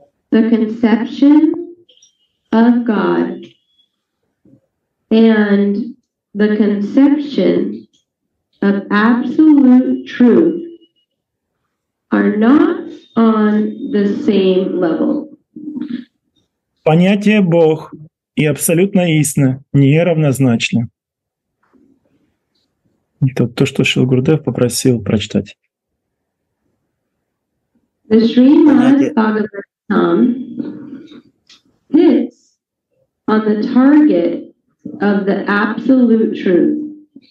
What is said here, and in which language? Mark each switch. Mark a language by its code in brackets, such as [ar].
[en] The conception of God and the conception of absolute truth are not on the same level. [ru] Понятие Бог и абсолютная истина не равнозначны. Это то, что Шрила Гурудев попросил прочитать. [en] The Srimad Bhagavatam hits on the target of the absolute truth.